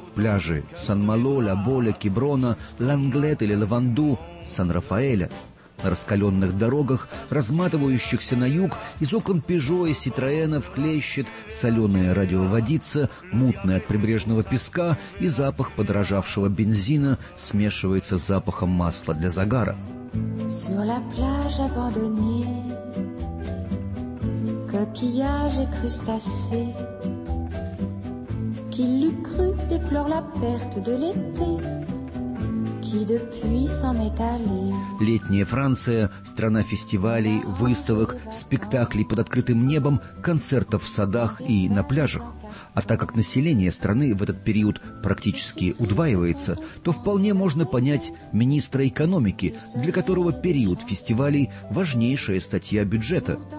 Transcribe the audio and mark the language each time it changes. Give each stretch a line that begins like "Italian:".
Russian: Пляжи Сан-Мало, Ля Боля, Кеброна, Ланглет или Лаванду, Сан-Рафаэля. На раскаленных дорогах, разматывающихся на юг, из окон Пежо и Ситроэнов клещет соленая радиоводица, мутная от прибрежного песка, и запах подорожавшего бензина смешивается с запахом масла для загара.
French: Sur la plage abandonnée, coquillages et crustacés. Qui l'eût cru déplore la perte de l'été, qui depuis s'en est allé.
Russian: Летняя Франция, страна фестивалей, выставок, спектаклей под открытым небом, концертов в садах и на пляжах. А так как население страны в этот период практически удваивается, то вполне можно понять министра экономики, для которого период фестивалей – важнейшая статья бюджета.